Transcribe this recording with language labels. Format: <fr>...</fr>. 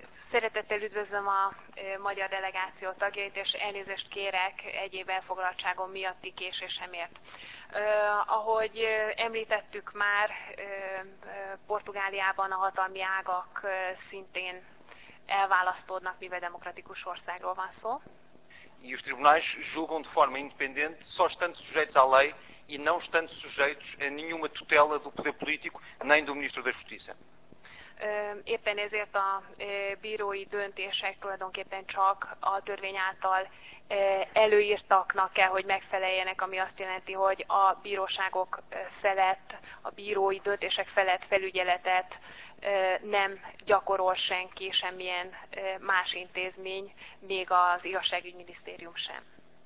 <hu>Szeretettel üdvözlöm a magyar delegáció tagjait, és elnézést kérek egyéb elfoglaltságom miatti késésemért. Ahogy említettük már, Portugáliában a hatalmi ágak szintén elválasztódnak, mivel demokratikus országról van szó.</hu> <pt>E os tribunais julgam de forma independente, só estando sujeitos à lei e não estando sujeitos a nenhuma tutela do poder político nem do ministro da Justiça.</pt> <hu>Éppen ezért a bírói döntések tulajdonképpen csak a törvény által előírtaknak kell, hogy megfeleljenek, ami azt jelenti, hogy a bíróságok felett, a bírói döntések felett felügyeletet nem gyakorol senki, semmilyen más intézmény, még az igazságügyminisztérium sem.</hu>